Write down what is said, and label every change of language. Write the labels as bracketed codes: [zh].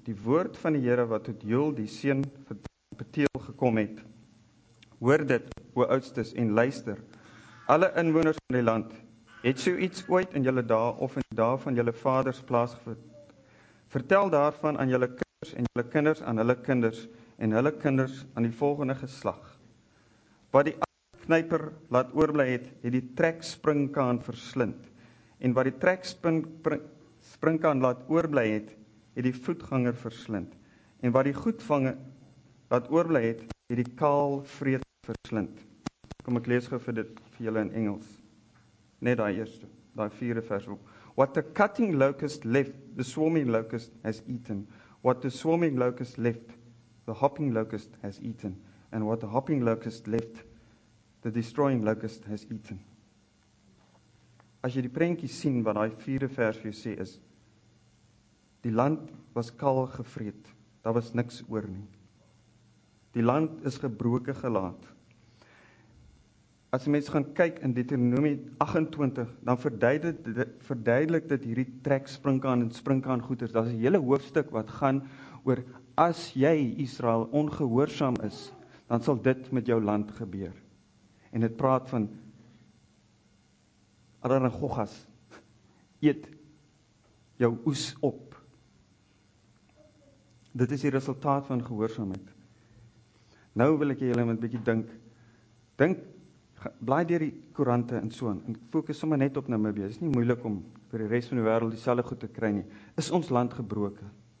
[af] Die woord van die Here wat tot Joel die seun van Peteel gekom het. Hoor dit, o oudstes, en luister. Alle inwoners van die land, het so iets ooit in julle dae of in die dae van julle vaders plaasgevind? Vertel daarvan aan julle kinders en julle kinders aan hulle kinders en hulle kinders aan die volgende geslag. Wat die knyper laat oorbly het, het die trekspringkaan verslind. En wat die trekspringkaan laat oorbly het, het die voetganger verslind. En wat die goedvanger laat oorbly het, het die kaalvreet verslind. Kom ek lees gou vir dit vir julle in Engels. Net daai eerste, daai vierde vers. [en] What the cutting locust left, the swarming locust has eaten. What the swarming locust left, the hopping locust has eaten. And what the hopping locust left, the destroying locust has eaten. [af] As jy die prentjie sien wat daai vierde vers vir jou sê is, die land was kaal gevreet, daar was niks oor nie. Die land is gebroke gelaat. As die mens gaan kyk in Deuteronomy 28, dan verduidelik dit hierdie trek, springkaan en springkaan goeders. Dat is die hele hoofstuk wat gaan oor, as jy Israel ongehoorsaam is, dan sal dit met jou land gebeur. En het praat van Arangogas, eet jou oes op. Dit is die resultaat van gehoorsaamheid. Nou wil ek julle met 'n bietjie dink, blaai deur die koerante en so aan, en fokus sommer net op Namibia, is nie moeilik om vir die res van die wêreld dieselfde goed te kry nie, is ons land gebroken?